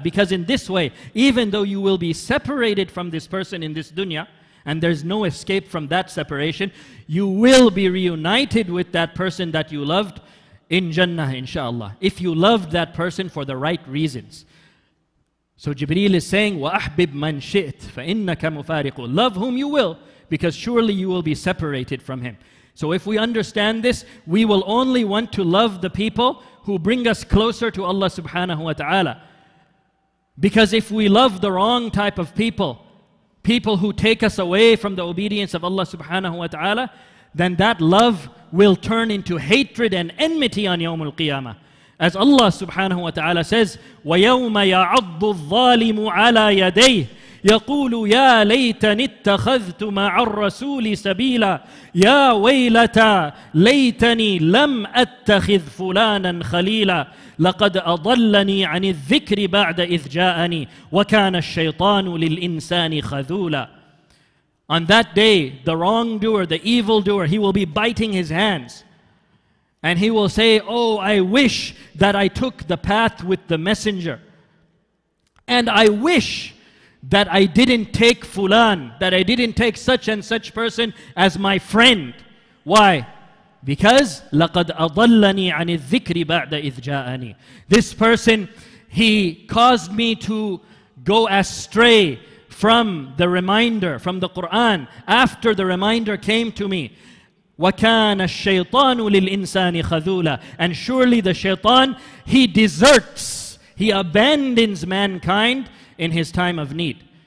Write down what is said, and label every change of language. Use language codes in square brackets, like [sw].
[en] Because in this way, even though you will be separated from this person in this dunya, and there's no escape from that separation, you will be reunited with that person that you loved in Jannah, inshallah, if you loved that person for the right reasons. So Jibreel is saying, [ar] وَأَحْبِبْ مَنْ شِئْتْ فَإِنَّكَ مُفَارِقُ. [en] Love whom you will, because surely you will be separated from him. So if we understand this, we will only want to love the people who bring us closer to Allah subhanahu wa ta'ala. Because if we love the wrong type of people, people who take us away from the obedience of Allah subhanahu wa ta'ala, then that love will turn into hatred and enmity on Yawmul Qiyamah. As Allah subhanahu wa ta'ala says, [ar] وَيَوْمَ يَعَضُّ الظَّالِمُ عَلَىٰ يَدَيْهِ يَقُولُ يَا لَيْتَنِ اتَّخَذْتُ مَعَ الرَّسُولِ سَبِيلًا يَا وَيْلَتَا لَيْتَنِي لَمْ أَتَّخِذْ فُلَانًا خَلِيلًا لَقَدْ أَضَلَّنِي عَنِ الذِّكْرِ بَعْدَ إِذْ جَاءَنِي وَكَانَ الشَّيْطَانُ لِلْإِنسَانِ خَذُولًا. [en] On that day, the wrongdoer, the evildoer, he will be biting his hands. And he will say, oh, I wish that I took the path with the messenger. And I wish that I didn't take fulan, that I didn't take such and such person as my friend. Why? Because [ar] لَقَدْ أَضَلَّنِي عَنِ الذِّكْرِ بَعْدَ إِذْ جَاءَنِي. [en] This person, he caused me to go astray from the reminder, from the Qur'an, after the reminder came to me. [ar] وَكَانَ الشَّيْطَانُ لِلْإِنسَانِ خَذُولًا. [en] And surely the shaitan, he deserts, he abandons mankind in his time of need.